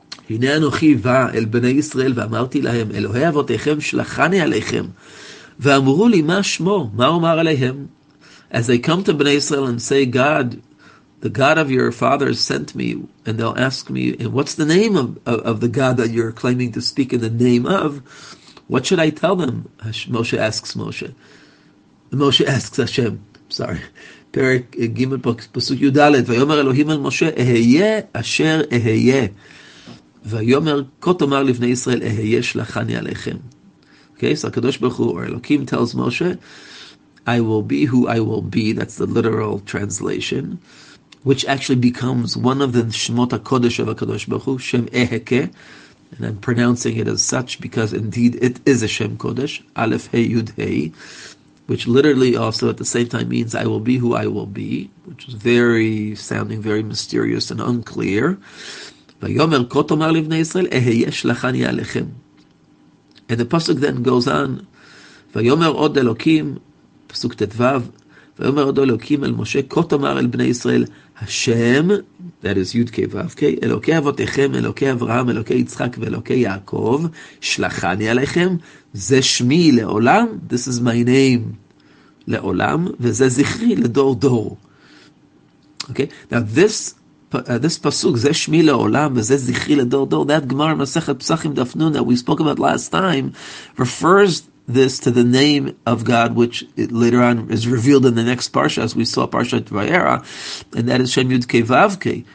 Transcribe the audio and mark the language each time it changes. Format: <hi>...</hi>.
<he>הנה אנוכי בא אל בני ישראל ואמרתי להם, אלוהי אבותיכם שלחני עליכם. ואמרו לי, מה שמו? מה אומר עליהם?</he> <en>As they come to Bnei Israel and say, God, the God of your fathers sent me, and they'll ask me, and what's the name of the God that you're claiming to speak in the name of? What should I tell them? Moshe asks Moshe. Moshe asks Hashem. Sorry.</en> <he>פרק ג' פסוק י' ד' ויאמר אלוהים אל משה, אהיה אשר אהיה. ויאמר, כה תאמר לבני ישראל, אהיה שלחני עליכם.</he> <en>Okay, so הקדוש ברוך הוא, or Elohim tells Moshe, I will be who I will be, that's the literal translation, which actually becomes one of the שמות הקודש of הקדוש ברוך הוא, שם אהקה, and I'm pronouncing it as such because indeed it is a שם קודש, אלף ה' יוד ה', which literally also at the same time means I will be who I will be, which is very sounding very mysterious and unclear.</en> <he>ויאמר כה תאמר לבני ישראל, אהיה שלחני עליכם.</he> <en>And the pasuk then goes on,</en> <he>ויאמר עוד אלוקים, פסוק ט"ו, ויאמר עוד אלוקים אל משה, כה תאמר אל בני ישראל, השם, that is י"ק ו"ק, אלוקי אבותיכם, אלוקי אברהם, אלוקי יצחק ואלוקי יעקב, שלחני עליכם, זה שמי לעולם,</he> <en>this is my name</en> <he>לעולם, וזה זכרי לדור דור.</he> <en>Okay, now this, this pasuk,</en> <he>זה שמי לעולם וזה זכרי לדור דור,</he> <en>that גמר מסכת פסחים דף נון that we spoke about last time, refers this to the name of God, which later on is revealed in the next parsha, as we saw parshat Vayera, and that is Shem Yud Kei Vav Kei.</en>